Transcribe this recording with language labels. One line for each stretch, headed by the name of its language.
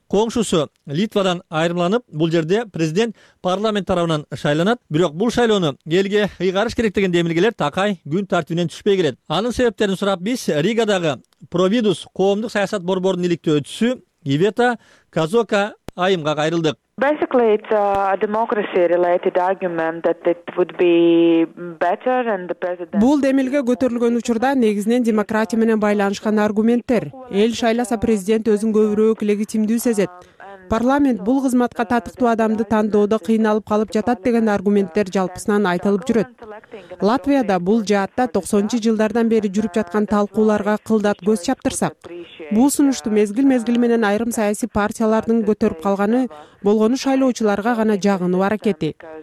Kyrgyz: Коңшусу Литвадан айырмаланып, бул жерде президент парламент тарабынан шайланат. Бирок бул шайлоону элге ыйгарыш керек деген демилгелер такай күн тартибинен түшпөй келет. Анын себептерин сурап биз Ригадагы Providus коомдук саясат борборунун иликтөөчүсү Ивета Казока айымга кайрылдык.
English: Basically it's a democracy related argument that it would be better and the president.
Kyrgyz: Бул демилге көтөрүлгөн учурда негизинен демократия менен байланышкан аргументтер. Эл шайласа президент өзүн көбүрөөк легитимдүү сезет. Парламент бул кызматка татыктуу адамды тандоодо кыйналып калып жатат деген аргументтер жалпысынан айтылып жүрөт. Латвияда бул жаатта 90-жылдардан бери жүрүп жаткан талкууларга кылдат көз чаптырсак, бул сунушту мезгил-мезгил менен айрым саясий партиялардын көтөрүп калганы болгону шайлоочуларга гана жагынуу аракети.